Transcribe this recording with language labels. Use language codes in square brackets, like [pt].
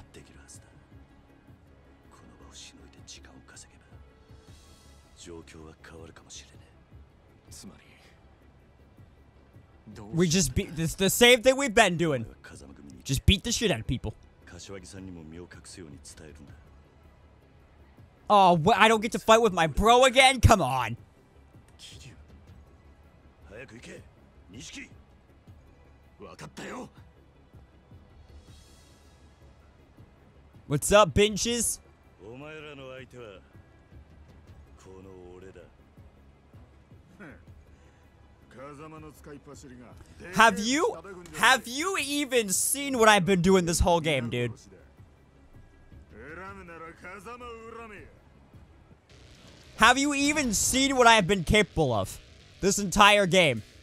[ja] この場をしのいで時間を稼げば状況は変わるかもしれない。つまり、 [en] We just beat this the same thing we've been doing. Just beat the shit out of people. [ja] 柏木さんにも身を隠すように伝えるんだ。 [en] Oh, what? I don't get to fight with my bro again? Come on. [ja] 早く行け、錦。分かったよ。 [en] What's up, Binches? [ja] お前らの相手はこの俺だ。風間の使いパシリが。 [en] Have you even seen what I've been doing this whole game, dude? [ja] 恨むなら風間を恨め。 [en] Have you even seen what I have been capable of this entire game?